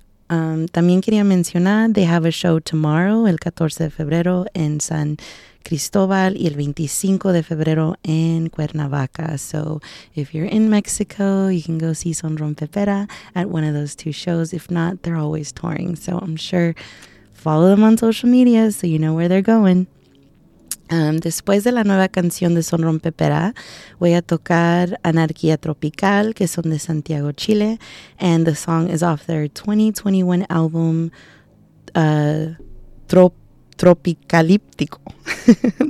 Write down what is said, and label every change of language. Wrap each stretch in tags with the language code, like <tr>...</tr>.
<es>También quería mencionar,</es> <en>they have a show tomorrow,</en> <es>el 14 de febrero, en San Cristóbal, y el 25 de febrero en Cuernavaca.</es> <en>So if you're in Mexico, you can go see Son Rompepera at one of those two shows. If not, they're always touring. So I'm sure follow them on social media so you know where they're going.</en> <es>Después de la nueva canción de Son Rompepera, voy a tocar Anarquía Tropical, que son de Santiago, Chile.</es> <en>And the song is off their 2021 album, Tropicalíptico.</en>